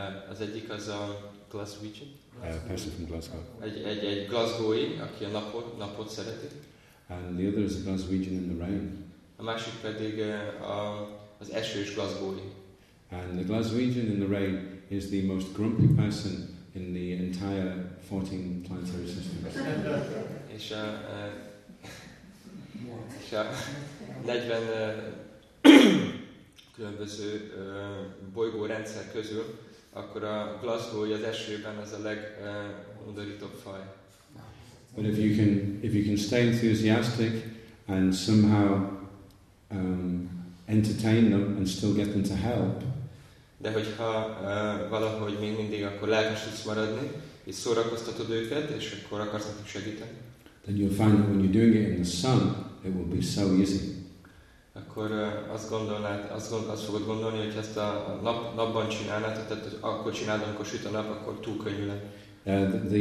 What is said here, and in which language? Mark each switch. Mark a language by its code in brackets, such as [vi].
[hu] Az egyik az a Glaswegian. [en] A person from Glasgow. [hu] Egy Glasgow-i, aki a napot szereti. [en] And the other is a Glaswegian in the rain. [hu] A másik pedig az esős Glasgow-i. [en] And the Glaswegian in the rain is the most grumpy person in the entire 14 planetary systems. [hu] És a 40 különböző bolygórendszer közül, akkor a Glasgow-i az esőben az a legundorítóbb faj. [en] But if you can stay enthusiastic and somehow entertain them and still get them to help. [hu] De hogyha valahogy még mindig akkor lelkes tudsz maradni, és szórakoztatod őket, és akkor akarsz nekik segíteni. [en] Then you'll find that when you're doing it in the sun, it will be so easy. [hu] Akkor azt fogod gondolni, hogy ezt a napban csinálnád, tehát akkor csinálod, amikor süt a nap, akkor túl könnyű lenne.